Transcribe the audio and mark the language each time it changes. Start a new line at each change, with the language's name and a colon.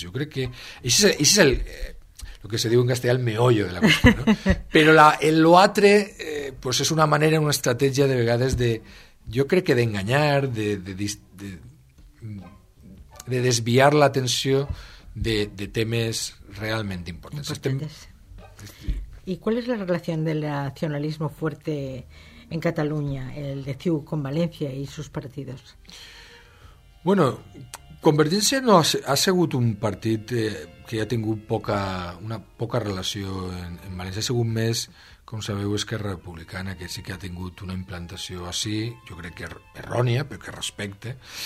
Catalan: Jo crec que això és lo que se diu en castellà el meollo de la qüestió, no? Però l'altre pues és una manera, una estratègia de vegades de, jo crec que d'enganyar, de desviar l'atenció de temes realment importants.
Spanish: ¿Y cuál es la relación del nacionalismo fuerte en Cataluña, el de CiU, con València i sus partidos?
Catalan: Bueno, Convergència no ha sigut un partit que ha tingut una poca relació en València. Ha sigut més, com sabeu, Esquerra Republicana, que sí que ha tingut una implantació així, jo crec que errònia, però que respecte.